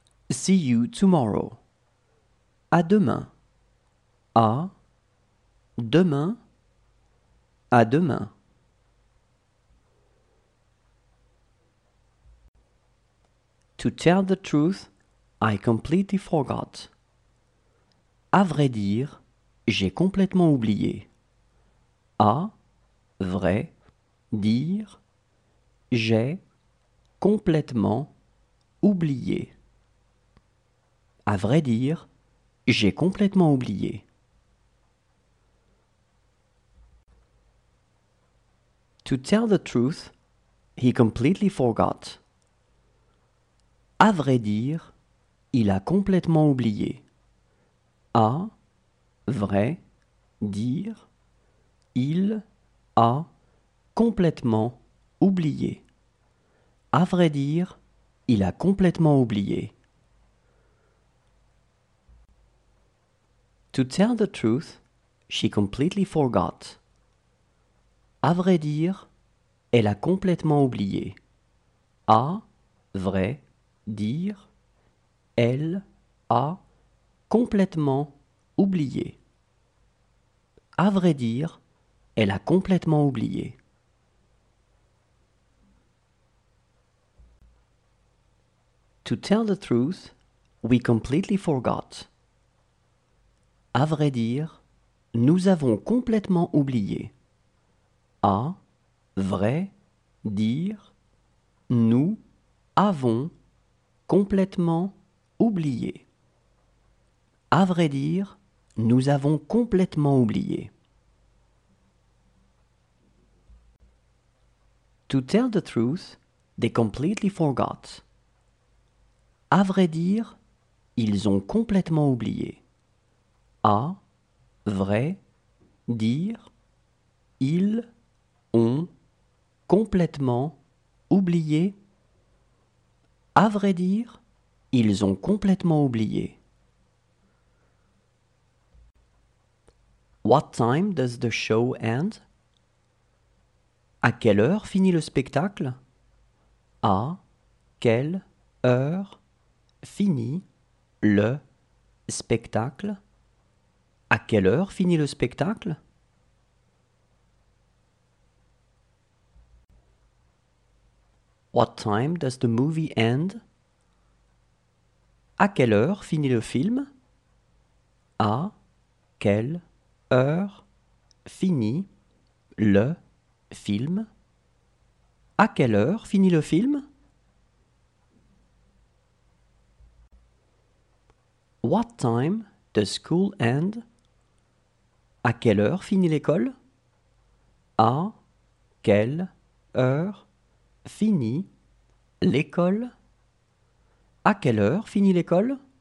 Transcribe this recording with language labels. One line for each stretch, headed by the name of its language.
English: See you tomorrow.
French: À demain. À demain. À demain.
English: To tell the truth, I completely forgot.
French: À vrai dire, j'ai complètement oublié. À vrai dire, j'ai complètement oublié. À vrai dire, j'ai complètement oublié.
English: To tell the truth, he completely forgot.
French: À vrai dire, il a complètement oublié. À vrai dire, il a complètement oublié. À vrai dire, il a complètement oublié.
English: To tell the truth, she completely forgot.
French: À vrai dire, elle a complètement oublié. À vrai dire, elle a complètement oublié. À vrai dire, elle a complètement oublié.
English: To tell the truth, we completely forgot.
French: À vrai dire, nous avons complètement oublié. À vrai dire, nous avons complètement oublié. À vrai dire, nous avons complètement oublié.
English: To tell the truth, they completely forgot.
French: À vrai dire, ils ont complètement oublié. À vrai dire, ils ont complètement oublié. À vrai dire, ils ont complètement oublié.
English: What time does the show end?
French: À quelle heure finit le spectacle? À quelle heure finit le spectacle? À quelle heure finit le spectacle?
English: What time does the movie end?
French: À quelle heure finit le film? À quelle heure finit le film? À quelle heure finit le film?
English: What time does school end?
French: À quelle heure finit l'école? À quelle heure finit l'école? À quelle heure finit l'école?